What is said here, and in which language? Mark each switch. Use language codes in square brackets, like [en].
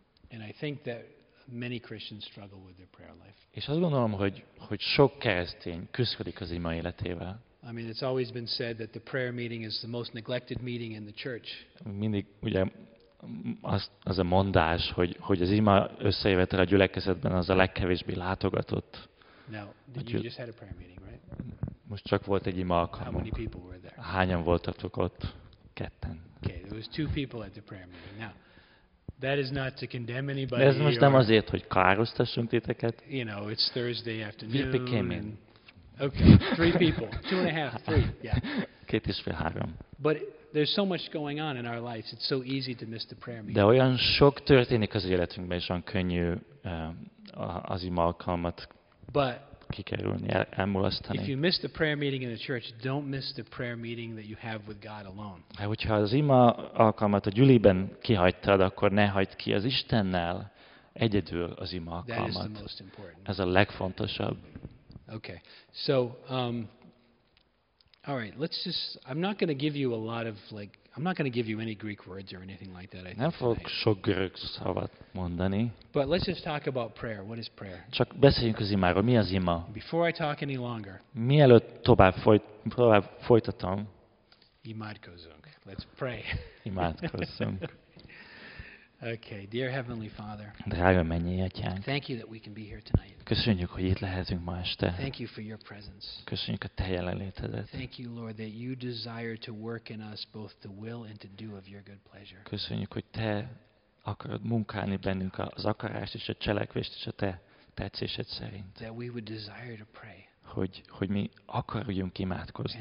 [en] And I think that many Christians struggle with their prayer life. [hu] És azt gondolom, hogy sok keresztény küzdik az ima életével. [en] I mean, it's always been said that the prayer meeting is the most neglected meeting in the church. [hu] Mindig ugye az a mondás, hogy az ima összejövetel a gyülekezetben az a legkevésbé látogatott. [en] Now, you just had a prayer meeting, right? [hu] Most csak volt egy ima alkalmunk. [en] How many people were there? [hu] Hányan voltatok ott? Ketten. [en] Okay, there was two people at the prayer meeting. Now, that is not to condemn anybody. [hu] Ez most nem azért, hogy károsztassunk titeket. [en] You know, it's Thursday afternoon. Vipi came in. Okay, three people. Two and a half, three. Yeah. [hu] Két és fél, három. [en] But there's so much going on in our lives, it's so easy to miss the prayer meeting. [hu] De olyan sok történik az életünkben, és olyan könnyű az ima alkalmat kikerülni, elmulasztani. [en] If you miss the prayer meeting in the church, don't miss the prayer meeting that you have with God alone. [hu] Hogyha az ima alkalmat a gyüliben kihagytad, akkor ne hagyd ki az Istennel egyedül az ima alkalmat. [en] That is the most important. [hu] Ez a legfontosabb. [en] Okay. So, all right, let's just, I'm not going to give you a lot of, like, I'm not going to give you any Greek words or anything like that. [hu] Nem fogok sok görög szavat mondani. [en] But let's just talk about prayer. What is prayer? [hu] Csak beszéljünk az imáról. Mi az ima? [en] Before I talk any longer. [hu] Mielőtt tovább folytatom. Imádkozzunk. [en] Let's pray. [hu] Imádkozzunk. [en] Okay, dear Heavenly Father. [hu] Drága mennyi atyánk. [en] Thank you that we can be here tonight. [hu] Köszönjük, hogy itt lehetünk ma este. [en] Thank you for your presence. [hu] Köszönjük a te jelenlétedet. [en] Thank you, Lord, that you desire to work in us both to will and to do of your good pleasure. [hu] Köszönjük, hogy te akarod munkálni bennünk az akarást és a cselekvést és a te tetszésed szerint. [en] That we would desire to pray. [hu] Hogy mi akarjunk imádkozni.